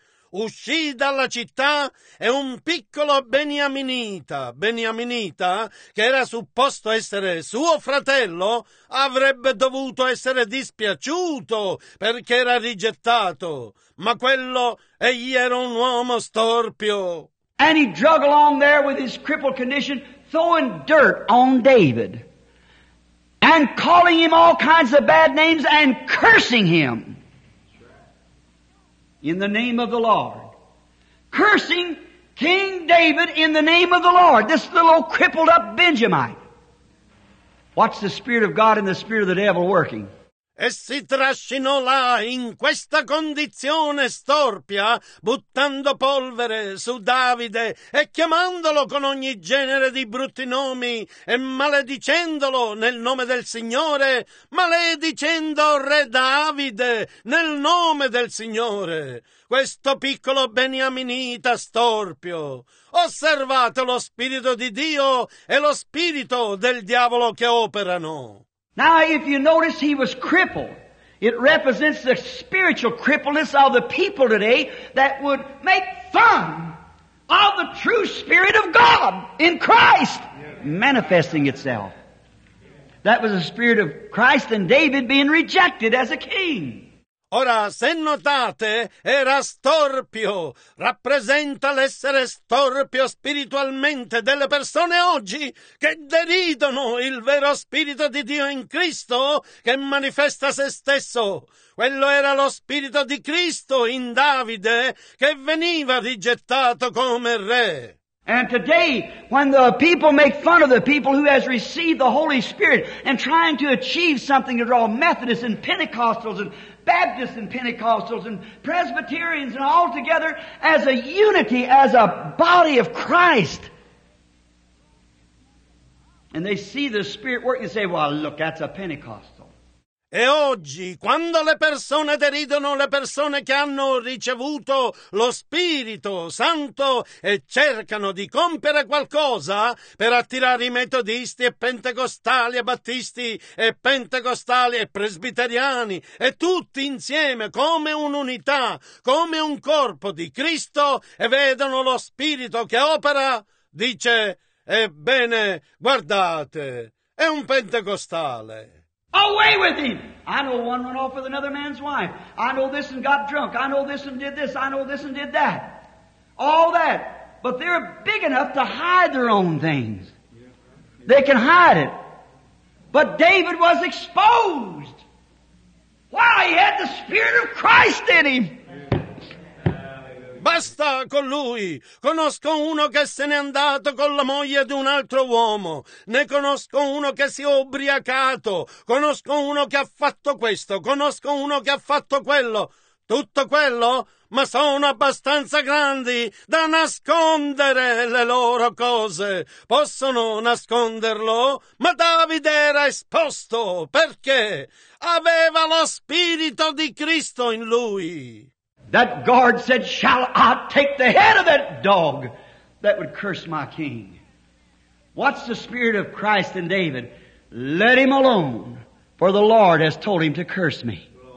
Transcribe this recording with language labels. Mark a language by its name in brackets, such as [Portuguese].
[Italian] Uscì dalla città e un piccolo Beniaminita, che era supposto essere suo fratello, avrebbe dovuto essere dispiaciuto perché era rigettato. Ma quello, egli era un uomo storpio. [English] And he drug along there with his crippled condition, throwing dirt on David, and calling him all kinds of bad names and cursing him. In the name of the Lord. Cursing King David in the name of the Lord. This little old crippled up Benjamite. What's the Spirit of God and the Spirit of the devil working? [Italian] E si trascinò là in questa condizione storpia, buttando polvere su Davide e chiamandolo con ogni genere di brutti nomi e maledicendolo nel nome del Signore, maledicendo Re Davide nel nome del Signore. Questo piccolo Beniaminita storpio. Osservate lo Spirito di Dio e lo Spirito del diavolo che operano. [English] Now, if you notice he was crippled, it represents the spiritual crippleness of the people today that would make fun of the true Spirit of God in Christ manifesting itself. That was the Spirit of Christ and David being rejected as a king. [Italian] Ora, se notate, era storpio, rappresenta l'essere storpio spiritualmente delle persone oggi che deridono il vero Spirito di Dio in Cristo che manifesta se stesso. Quello era lo Spirito di Cristo in Davide che veniva rigettato come re. [English] And today, when the people make fun of the people who has received the Holy Spirit and trying to achieve something to draw Methodists and Pentecostals and Baptists and Pentecostals and Presbyterians and all together as a unity, as a body of Christ. And they see the Spirit working and say, well, look, that's a Pentecost. [Italian] E oggi, quando le persone deridono le persone che hanno ricevuto lo Spirito Santo e cercano di compiere qualcosa per attirare i metodisti e pentecostali e battisti e pentecostali e presbiteriani e tutti insieme come un'unità, come un corpo di Cristo e vedono lo Spirito che opera, dice, ebbene, guardate, è un pentecostale. [English] Away with him! I know one went off with another man's wife. I know this and got drunk. I know this and did this. I know this and did that. All that. But they're big enough to hide their own things. They can hide it. But David was exposed. Wow, he had the Spirit of Christ in him. [Italian] Basta con lui. Conosco uno che se n'è andato con la moglie di un altro uomo. Ne conosco uno che si è ubriacato. Conosco uno che ha fatto questo. Conosco uno che ha fatto quello. Tutto quello? Ma sono abbastanza grandi da nascondere le loro cose. Possono nasconderlo? Ma Davide era esposto. Perché? Aveva lo Spirito di Cristo in lui. [English] That guard said, shall I take the head of that dog that would curse my king? What's the Spirit of Christ in David? Let him alone, for the Lord has told him to curse me.